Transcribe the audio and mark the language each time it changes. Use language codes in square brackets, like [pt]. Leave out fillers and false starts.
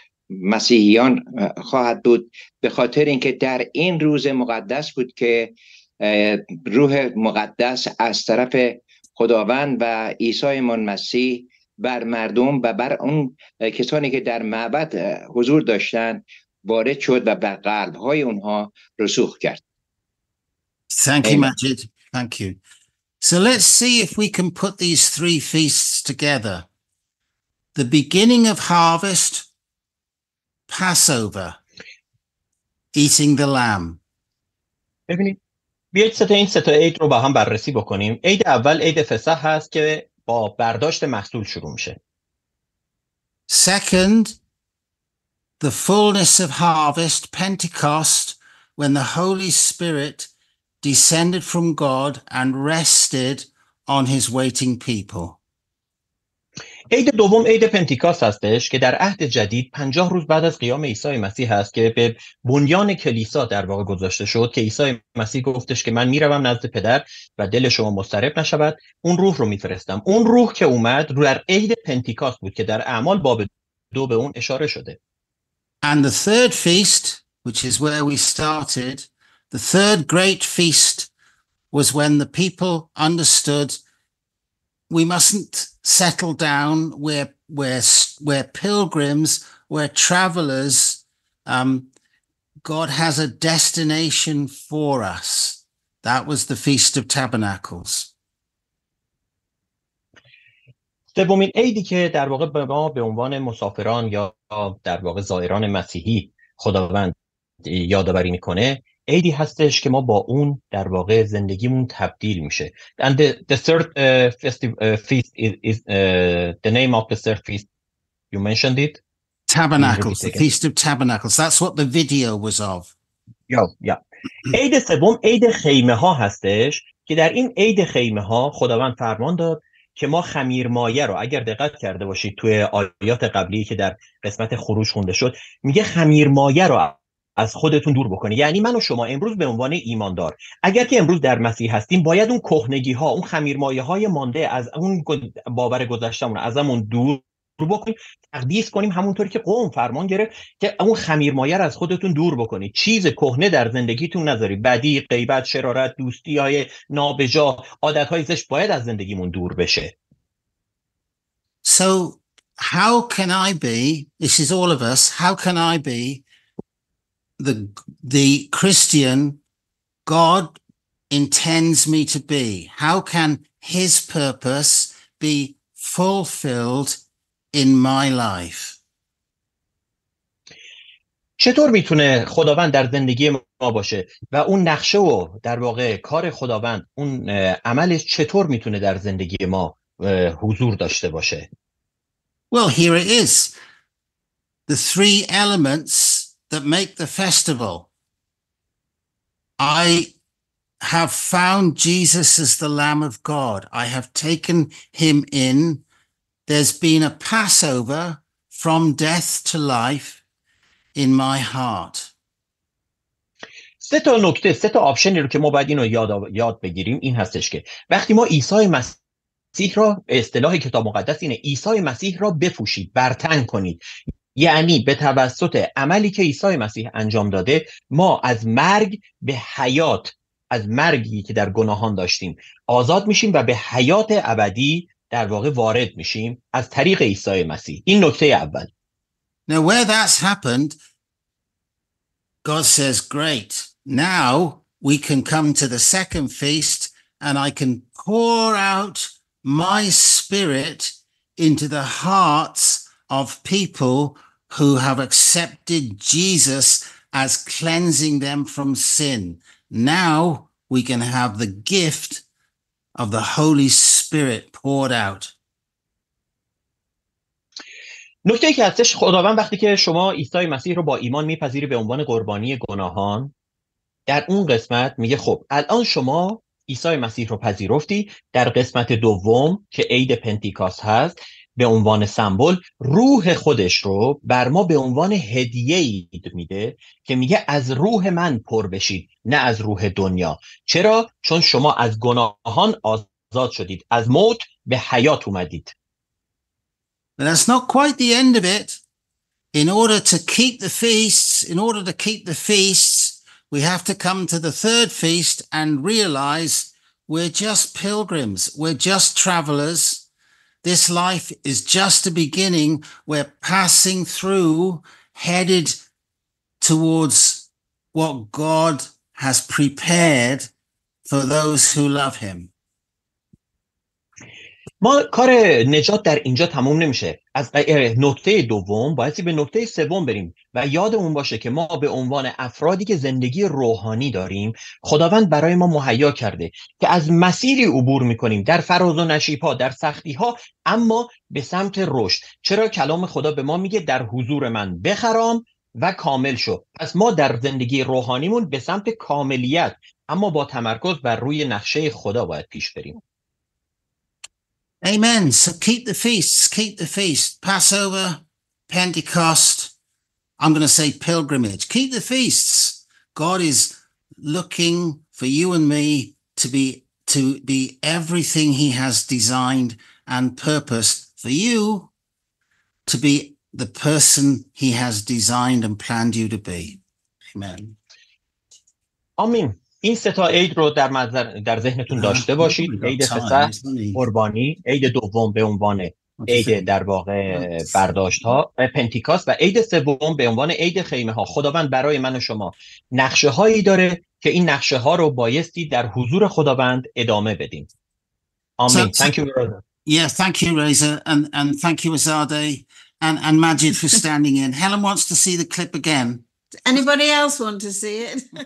[fa] مسیحیان خواهد بود، به خاطر اینکه در این روز مقدس بود که روح مقدس از طرف خداوند و عیسی مسیح بر مردم و بر اون کسانی که در معبد حضور داشتند وارد شد و به قلب های اونها رسوخ کرد. [en] Thank you, Majid. Thank you. So let's see if we can put these three feasts together. The beginning of harvest, Passover, eating the lamb. [fa] ببینید، بیایید این سه تا عید رو با هم بررسی بکنیم. عید اول عید فصح هست که با برداشت محصول شروع میشه. [en] Second, the fullness of harvest, Pentecost, when the Holy Spirit descended from God and rested on his waiting people. [fa] عید دوم عید پنتیکاست هستش که در عهد جدید 50 روز بعد از قیام عیسی مسیح هست که به بنیان کلیسا در واقع گذاشته شد، که عیسی مسیح گفتش که من میروم نزد پدر و دل شما مضطرب نشود، اون روح رو میفرستم. اون روح که اومد رو در عید پنتیکاست بود که در اعمال باب 2 به اون اشاره شده. [en] And the third feast, which is where we started, the third great feast was when the people understood we mustn't settle down, we're pilgrims, we're travelers, God has a destination for us. That was the Feast of Tabernacles. [fa] سومین عیدی که در واقع به ما به عنوان مسافران یا در واقع زائران مسیحی خداوند یادآوری میکنه، عیدی هستش که ما با اون در واقع زندگیمون تبدیل میشه. [en] And the third feast is the name of the third feast. You mentioned it. Tabernacles, the Feast of Tabernacles. That's what the video was of. Yeah. [fa] عید سوم عید خیمه ها هستش که در این عید خیمه ها خداوند فرمان داد که ما خمیر مایه رو اگر دقت کرده باشید توی آیات قبلی که در قسمت خروج خونده شد میگه خمیر مایه رو از خودتون دور بکنه، یعنی من و شما امروز به عنوان ایماندار اگر که امروز در مسیح هستیم باید اون کهنگی ها اون خمیر مایه های مانده از اون باور گذشتمون ازمون دور بکنیم، تقدیس کنیم همونطوری که قوم فرمان گرفت که اون خمیر مایه رو از خودتون دور بکنید، چیز کهنه در زندگیتون نذارید، بدی، غیبت، شرارت، دوستی های نابجا، عادت های زشت باید از زندگیمون دور بشه. [en] So how can I be, this is all of us, how can I be the Christian God intends me to be? How can his purpose be fulfilled in my life? [fa] چطور میتونه خداوند در زندگی ما باشه و اون نقشه و در واقع کار خداوند اون عملش چطور میتونه در زندگی ما حضور داشته باشه؟ [en] Well, here it is. The three elements that make the festival. I have found Jesus as the Lamb of God. I have taken him in. There's been a Passover from death to life in my heart. [fa] سه تا نکته، سه تا آپشنی رو که ما باید اینو یاد بگیریم این هستش که وقتی ما عیسی مسیح را، اصطلاح کتاب مقدس اینه، عیسی مسیح را بپوشید، برتن کنید، یعنی به توسط عملی که عیسی مسیح انجام داده ما از مرگ به حیات، از مرگی که در گناهان داشتیم آزاد میشیم و به حیات ابدی در واقع وارد میشیم از طریق عیسی مسیح. این نکته اول. [en] Now where that's happened, God says, great, now we can come to the second feast and I can pour out my spirit into the hearts of people who have accepted Jesus as cleansing them from sin. Now we can have the gift of the Holy Spirit poured out. [fa] نکته‌ای که هستش، خداوند وقتی که شما عیسی مسیح رو با ایمان میپذیری به عنوان قربانی گناهان، در اون قسمت میگه خب الان شما عیسی مسیح رو پذیرفتی، در قسمت دوم که عید پنتیکاست هست به عنوان سمبل روح خودش رو بر ما به عنوان هدیه‌ای میده که میگه از روح من پر بشید نه از روح دنیا. چرا؟ چون شما از گناهان آزاد شدید، از موت به حیات اومدید. [en] But that's not quite the end of it. In order to keep the feasts, in order to keep the feasts, we have to come to the third feast and realize we're just pilgrims, we're just travelers. This life is just a beginning. We're passing through, headed towards what God has prepared for those who love him. [fa] ما کار نجات در اینجا تموم نمیشه. از نقطه دوم باید به نقطه سوم بریم و یادمون باشه که ما به عنوان افرادی که زندگی روحانی داریم، خداوند برای ما مهیا کرده که از مسیری عبور میکنیم در فراز و نشیب ها، در سختی ها، اما به سمت رشد. چرا؟ کلام خدا به ما میگه در حضور من بخرام و کامل شو. پس ما در زندگی روحانیمون به سمت کاملیت اما با تمرکز بر روی نقشه خدا باید پیش بریم. [en] Amen. So keep the feasts, keep the feast. Passover, Pentecost, I'm going to say pilgrimage. Keep the feasts. God is looking for you and me to be everything he has designed and purposed for you to be the person he has designed and planned you to be. Amen. Amen. [fa] این سه تا عید رو در ذهنتون داشته باشید. عید پسح، قربانی، عید دوم به عنوان عید در واقع برداشت ها، پنتیکاست، و عید سوم به عنوان عید خیمه ها. خداوند برای من و شما نقشه هایی داره که این نقشه ها رو بایستی در حضور خداوند ادامه بدیم. [en] آمین. Thank you, Reza. Yeah, thank you, Reza. And thank you, Azadeh. And Majid for standing in. Helen wants to see the clip again. Anybody else want to see it?